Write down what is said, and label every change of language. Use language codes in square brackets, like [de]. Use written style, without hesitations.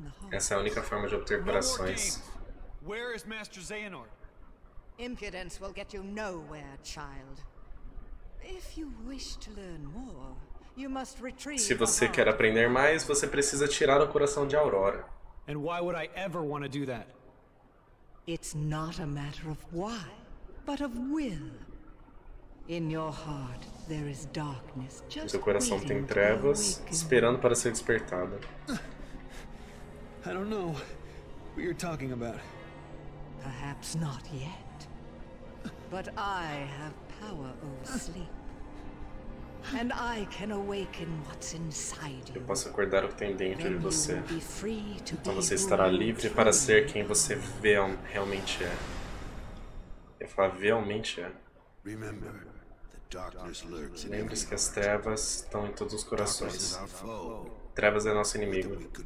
[pt] Essa é a única forma de obter corações. [en] Where is Master Xehanort? Impudence will get you nowhere, child. If you wish to learn more, you must retrieve. [pt] Se você quer aprender mais, você precisa tirar o coração de Aurora. [en] And why would I ever want to do that? It's not a matter of why, but of will. In your heart, there is darkness just waiting. [pt] Seu coração tem trevas, esperando para ser despertado. [en] I don't know what you're talking about. Perhaps not yet, but I have power over sleep, and I can awaken what's inside you. [pt] Eu posso acordar o que tem dentro de você. Então você estará livre para ser quem você realmente é. Eu falo realmente é. [en] Remember, the darkness lurks in every heart. [pt] Que as trevas estão em todos os corações. Trevas é nosso inimigo.